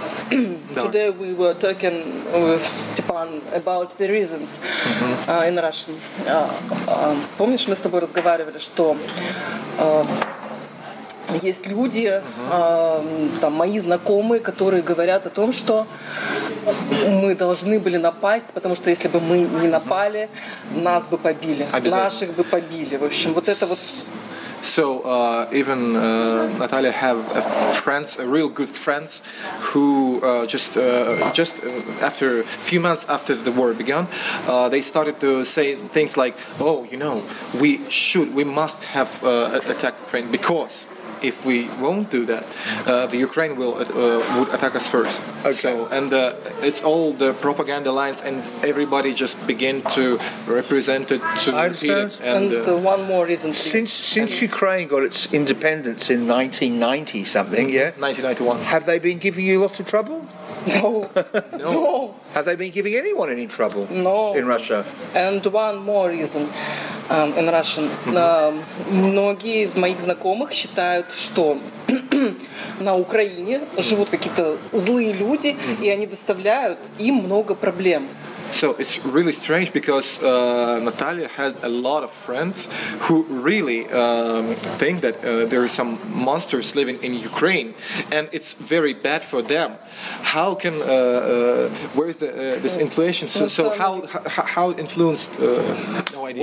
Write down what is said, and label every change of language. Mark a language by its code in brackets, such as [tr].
[en] today we were talking with Степан about the reasons mm-hmm. In Russian. [ru] Помнишь, мы с тобой разговаривали, что есть люди, там мои знакомые, которые говорят о том, что мы должны были напасть, потому что если бы мы не напали, нас бы побили, наших бы побили. В общем, вот это вот. [en] So even Natalia have friends, real good friends, who just after a few months after the war began, they started to say things like, "Oh, you know, we must have attacked Ukraine because." If we won't do that, the Ukraine would attack us first. Okay. So, and it's all the propaganda lines, and everybody just begin to represent it to I repeat understand. It. And one more reason. Please. Since Ukraine got its independence in 1990 something, mm-hmm. yeah, 1991. Have they been giving you lots of trouble? No. No. No. Have they been giving anyone any trouble? No. In Russia. And one more reason. In Russian. Mm-hmm. [ru] Многие из моих знакомых считают, что на Украине живут какие-то злые люди, mm-hmm. и они доставляют им много проблем. [en] So it's really strange because Natalia has a lot of friends who really think that there are some monsters living in Ukraine, and it's very bad for them. How can where is the this inflation? So how influenced? No idea.